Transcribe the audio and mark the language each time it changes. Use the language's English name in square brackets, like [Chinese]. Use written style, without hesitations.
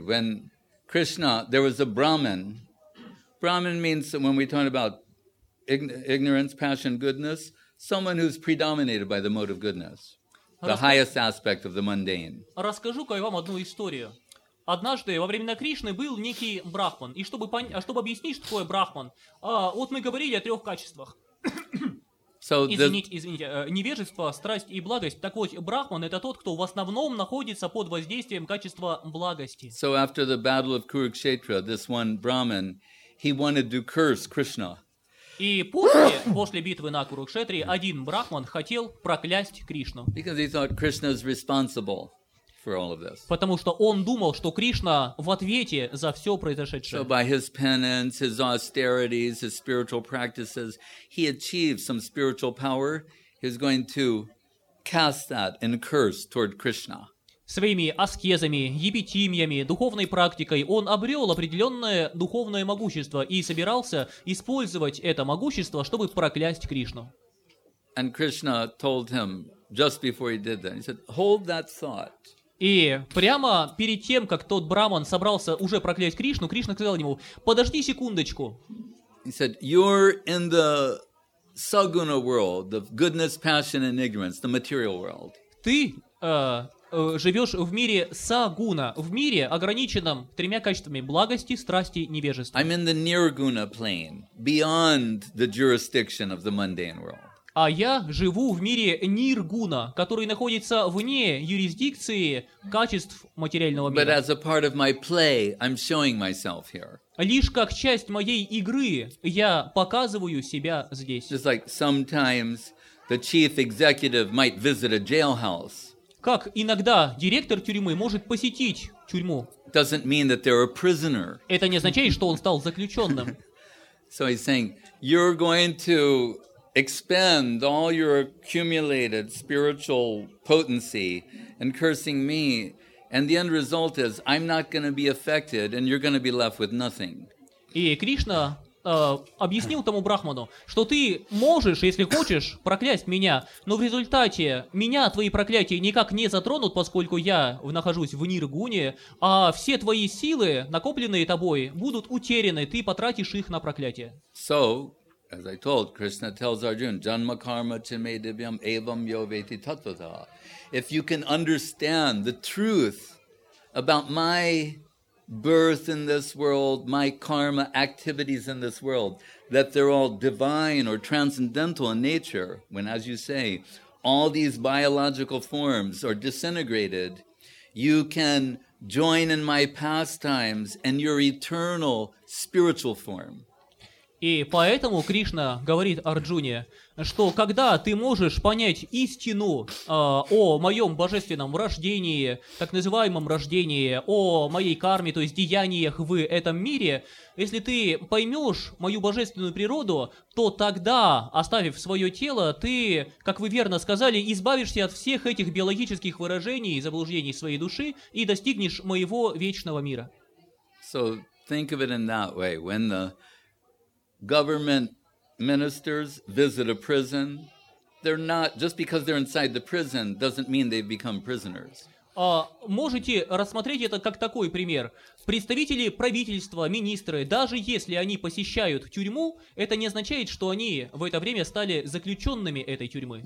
[English] When Krishna, there was a Brahmin. Brahmin means when we talk about ignorance, passion, goodness, someone who's predominated by the mode of goodness, the highest aspect of the mundane. [Russian] Расскажу-ка я вам одну историю. Однажды во времена Кришны был некий брахман. И чтобы чтобы объяснить, что такое брахман, вот мы говорили о трех качествах. Извините, невежество, страсть и благость. Так вот, брахман — это тот, кто в основном находится под воздействием качества благости. [English] So after the battle of Kurukshetra, this one Brahmin, he wanted to curse Krishna. [Russian] И после битвы на Курукшетре один брахман хотел проклясть Кришну. [English] Because he thought Krishna is responsible. For all of this. [Russian] Потому что он думал, что Кришна в ответе за все произошедшее. [English] So by his penance, his austerities, his spiritual practices, he achieved some spiritual power. He's going to cast that in curse toward Krishna. [Russian] Своими аскезами, епитимьями, духовной практикой он обрел определенное духовное могущество и собирался использовать это могущество, чтобы проклясть Кришну. [English] And Krishna told him just before he did that. He said, "Hold that thought." [Russian] И прямо перед тем, как тот брахман собрался уже проклясть Кришну, Кришна сказал ему: «Подожди секундочку». [English] He said, "You're in the saguna world, the goodness, passion, and ignorance, the material world." [Russian] Ты живешь в мире сагуна, в мире, ограниченном тремя качествами благости, страсти, невежества. [English] I'm in the nirguna plane, beyond the jurisdiction of the mundane world. [Russian] А я живу в мире ниргуна, который находится вне юрисдикции качеств материального мира. [English] But as a part of my play, I'm showing myself here. [Russian] Лишь как часть моей игры я показываю себя здесь. [English] Just like sometimes the chief executive might visit a jailhouse. [Russian] Как иногда директор тюрьмы может посетить тюрьму. [English] Doesn't mean that they're a prisoner. [Russian] Это не означает, что он стал заключенным. [English] So he's saying, you're going to expend all your accumulated spiritual potency and cursing me, and the end result is I'm not going to be affected, and you're going to be left with nothing. [Russian] И Кришна объяснил тому брахману, что ты можешь, если хочешь, проклясть меня, но в результате меня твои проклятия никак не затронут, поскольку я нахожусь в ниргуне, а все твои силы, накопленные тобой, будут утеряны, ты потратишь их на проклятие. [English] So, as I told, Krishna tells Arjuna, [Sanskrit] "Janma karma chame divyam evam yo veti tatvata." [English] If you can understand the truth about my birth in this world, my karma activities in this world, that they're all divine or transcendental in nature, when, as you say, all these biological forms are disintegrated, you can join in my pastimes and your eternal spiritual form. [Russian] И поэтому Кришна говорит Арджуне, что когда ты можешь понять истину о моем божественном рождении, так называемом рождении, о моей карме, то есть деяниях в этом мире, если ты поймешь мою божественную природу, то тогда, оставив свое тело, ты, как вы верно сказали, избавишься от всех этих биологических выражений и заблуждений своей души и достигнешь моего вечного мира. [English] So think of it in that way. When the government ministers visit a prison. They're not, just because they're inside the prison doesn't mean they've become prisoners. [Russian] Можете рассмотреть это как такой пример. Представители правительства, министры, даже если они посещают тюрьму, это не означает, что они в это время стали заключенными этой тюрьмы.